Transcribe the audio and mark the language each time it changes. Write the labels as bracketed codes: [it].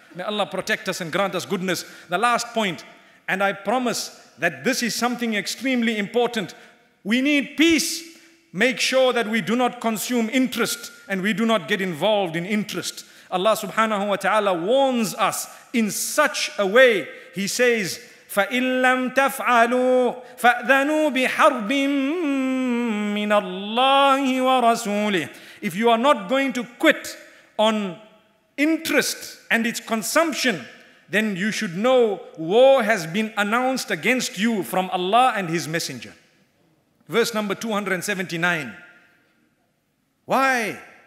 [en] May Allah protect us and grant us goodness. The last point, and I promise that this is something extremely important. We need peace. Make sure that we do not consume interest and we do not get involved in interest. Allah subhanahu wa ta'ala warns us in such a way. He says, [ar] فَإِن لَّمْ تَفْعَلُوا فَأْذَنُوا بِحَرْبٍ مِّنَ اللَّهِ وَرَسُولِهِ. [en] If you are not going to quit on interest and its consumption, then you should know war has been announced against you from Allah and His Messenger. Verse number 279. Why?